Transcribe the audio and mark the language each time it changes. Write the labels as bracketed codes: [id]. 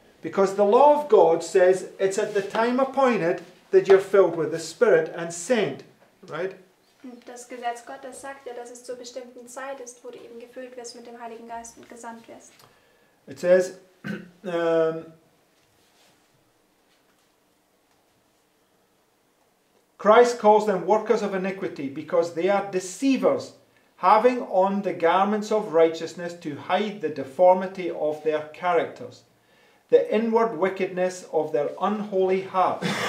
[en] Because the law of God says it's at the time appointed that you're filled with the Spirit and sent, right? [de] Das Gesetz Gottes sagt ja, dass es zur bestimmten Zeit ist, wo du eben gefüllt wirst mit dem Heiligen Geist und gesandt wirst. [en] It says, Christ calls them workers of iniquity because they are deceivers, having on the garments of righteousness to hide the deformity of their characters, the inward wickedness of their unholy hearts.